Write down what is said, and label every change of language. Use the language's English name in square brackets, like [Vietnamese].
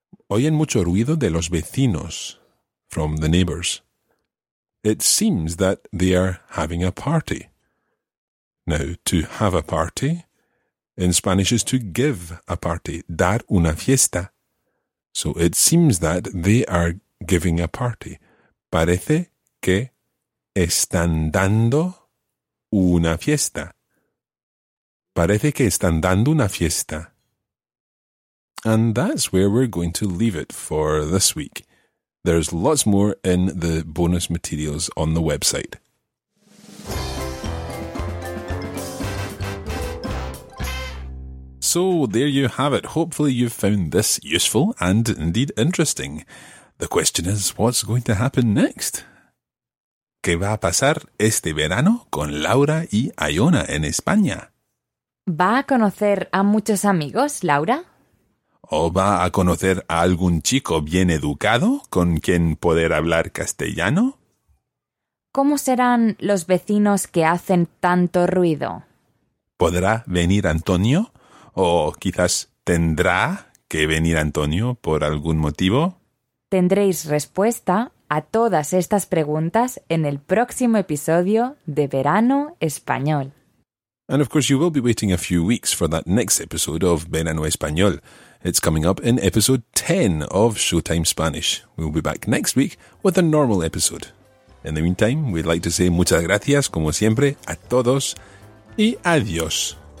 [Spanish] Oyen mucho ruido de los vecinos, [English] from the neighbors. It seems that they are having a party. Now, to have a party in Spanish is to give a party, [Spanish] dar una fiesta. [English] So it seems that they are giving a party. [Spanish] Parece que están dando una fiesta. Parece que están dando una fiesta. [English] And that's where we're going to leave it for this week. There's lots more in the bonus materials on the website. So there you have it. Hopefully you've found this useful and indeed interesting. The question is, what's going to happen next? [Spanish] ¿Qué va a pasar este verano con Laura y Ayona en España? ¿Va a conocer a muchos amigos, Laura? ¿O va a conocer a algún chico bien educado con quien poder hablar castellano? ¿Cómo serán los vecinos que hacen tanto ruido? ¿Podrá venir Antonio? ¿O quizás tendrá que venir Antonio por algún motivo? Tendréis respuesta a todas estas preguntas en el próximo episodio de Verano Español. [English] And of course you will be waiting a few weeks for that next episode of Verano Español. It's coming up in episode 10 of Showtime Spanish. We'll be back next week with a normal episode. In the meantime, we'd like to say [Spanish] muchas gracias, como siempre, a todos y adiós.